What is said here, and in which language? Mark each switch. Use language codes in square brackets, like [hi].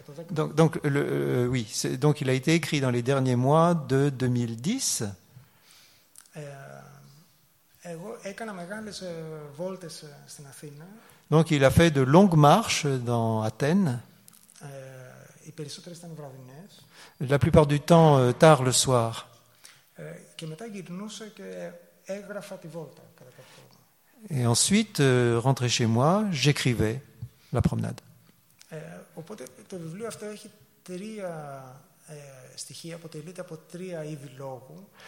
[fr] Donc le oui, c'est, donc il a été écrit dans les derniers mois de 2010. [el] Εγώ έκανα μεγάλες βόλτες στην Αθήνα. [fr] Donc il a fait de longues marches dans Athènes. [el] Οι περισσότερες ήταν βραδινές. [fr] La plupart du temps tard le soir. [el] Και μετά γυρνούσα και έγραφα τη βόλτα κατά κάποιο τρόπο. [fr] Et ensuite rentré chez moi, j'écrivais la promenade. [el] Οπότε το βιβλίο αυτό έχει τρία στοιχεία, αποτελείται από τρία είδη λόγου.